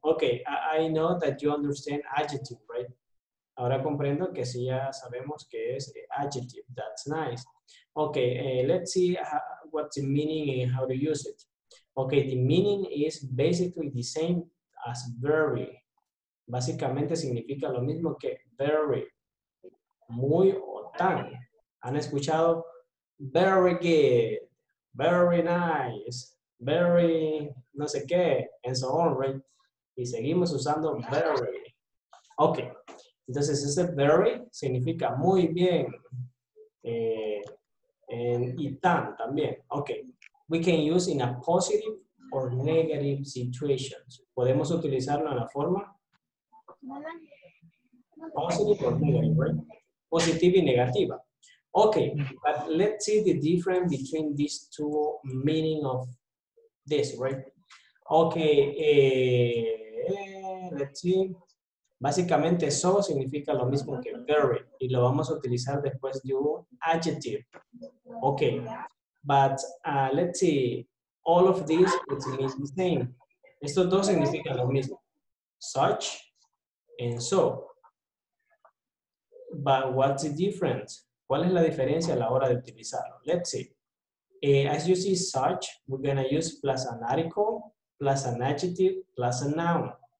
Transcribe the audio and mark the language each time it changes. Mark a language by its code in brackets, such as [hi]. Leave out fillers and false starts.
[en] Okay, I know that you understand adjective, right? [es] Ahora comprendo que sí, ya sabemos que es adjective. [en] That's nice. Okay, let's see what the meaning and how to use it. Okay, the meaning is basically the same as very. [es] Básicamente significa lo mismo que very. Muy o tan. ¿Han escuchado? [en] Very good. Very nice. Very [es] no sé qué. [en] And so on, right? [es] Y seguimos usando [en] very. Okay. [es] Entonces, ese very significa muy bien. Y tan también. [en] Okay. We can use in a positive or negative situations. [es] Podemos utilizarlo en la forma [en] positive or negative, right? [es] Positiva y negativa. Okay. [en] But let's see the difference between these two meaning of this, right? Okay. Let's see. [es] Básicamente, so significa lo mismo que very, y lo vamos a utilizar después de un adjective. [en] Okay, but let's see, all of these, it means the same. [es] Estos dos significan lo mismo, such and so. [en] But what's the difference? [es] ¿Cuál es la diferencia a la hora de utilizarlo? [en] Let's see. As you see, such, we're going to use plus an article, plus an adjective, plus a noun.